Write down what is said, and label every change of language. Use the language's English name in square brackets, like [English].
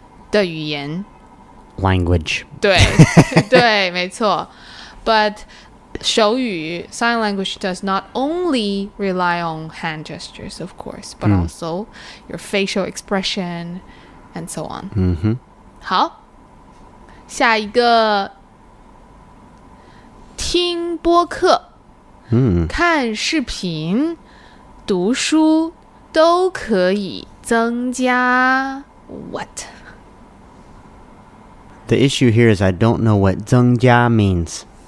[Chinese] 的语言。 [English] Language. [Chinese] 对，对，没错。 [English] But... [Chinese] 手语 [English] sign language does not only rely on hand gestures, of course, but also your facial expression and so on. [Chinese] 好，下一个，听播客，看视频，读书都可以增加 [English] what? The issue here is I don't know what [Chinese] 增加 [English] means.